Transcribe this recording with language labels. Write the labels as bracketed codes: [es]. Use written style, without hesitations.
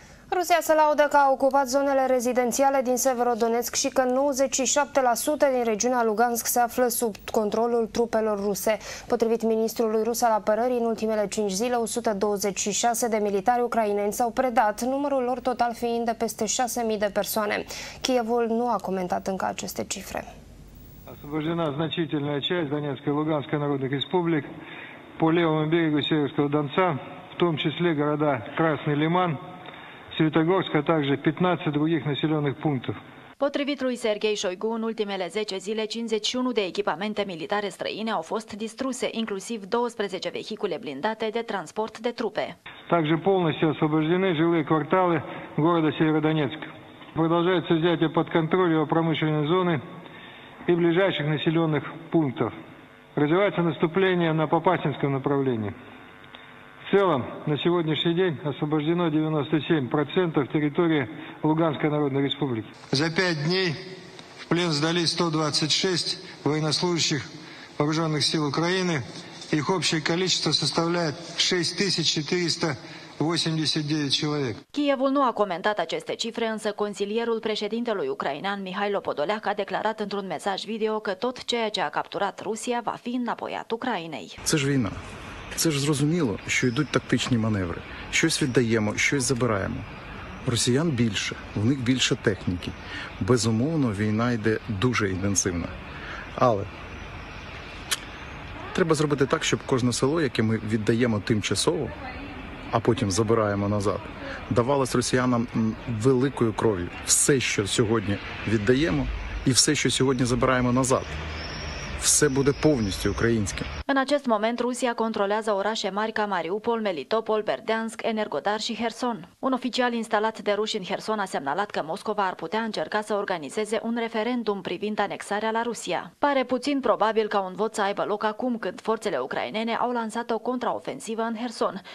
[ro] Rusia se laudă că a ocupat zonele rezidențiale din Severodonetsk și că 97% din regiunea Lugansk se află sub controlul trupelor ruse. Potrivit ministrului rus al apărării, în ultimele 5 zile, 126 de militari ucraineni s-au predat, numărul lor total fiind de peste 6.000 de persoane. Kievul nu a comentat încă aceste cifre. [ru] Освобождена значительная часть Донецкой и Луганской народных республик по левому берегу Северского Донца, в том числе города Красный Лиман, Светогорск, а также 15 других населенных пунктов. [ro] Potrivit lui Sergei Shoigu, în ultimele 10 zile, 51 de echipamente militare străine au fost distruse, inclusiv 12 vehicule blindate de transport de trupe. [ru] Также полностью освобождены жилые кварталы города Северодонецк. Продолжается взятие под контроль его промышленной зоны и ближайших населенных пунктов. Развивается наступление на Попасенском направлении. В целом, на сегодняшний день освобождено 97% территории Луганской Народной Республики. За 5 дней в плен сдались 126 военнослужащих вооруженных сил Украины. Их общее количество составляет 6489 человек. [ro] Kievul nu a comentat aceste cifre, însă consilierul președintelui ucrainean Mihailo Podoleac a declarat într-un mesaj video că tot ceea ce a capturat Rusia va fi înapoiat Ucrainei. [uk] Це ж війна. Це ж зрозуміло, що йдуть тактичні маневри. Щось віддаємо, щось забираємо. Росіян більше, в них більше техніки. Безумовно, війна йде дуже інтенсивно. Але треба зробити так, щоб кожне село, яке ми віддаємо тимчасово, а потім забираємо назад, давалось росіянам великою кров'ю. Все, що сьогодні віддаємо, і все, що сьогодні забираємо назад, все буде повністю українським. [ro] În acest moment, Rusia controlează orașe mari ca Mariupol, Melitopol, Berdeansk, Energodar și Herson. Un oficial instalat de ruși în Herson a semnalat că Moscova ar putea încerca să organizeze un referendum privind anexarea la Rusia. Pare puțin probabil ca un vot să aibă loc acum, când forțele ucrainene au lansat o contraofensivă în Herson.